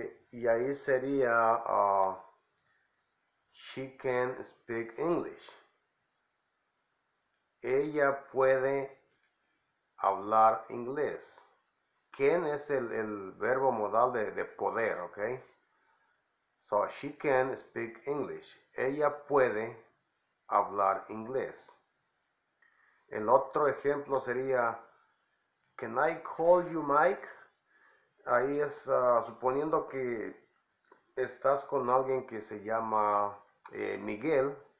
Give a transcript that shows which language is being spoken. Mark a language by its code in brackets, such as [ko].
[es] Y ahí sería [en] she can speak English. [es] Ella puede hablar inglés. Can es el verbo modal de poder, ¿ok? [en] So, she can speak English. [es] Ella puede hablar inglés. El otro ejemplo sería, [en] Can I call you Mike? [es] Ahí es, suponiendo que estás con alguien que se llama Miguel.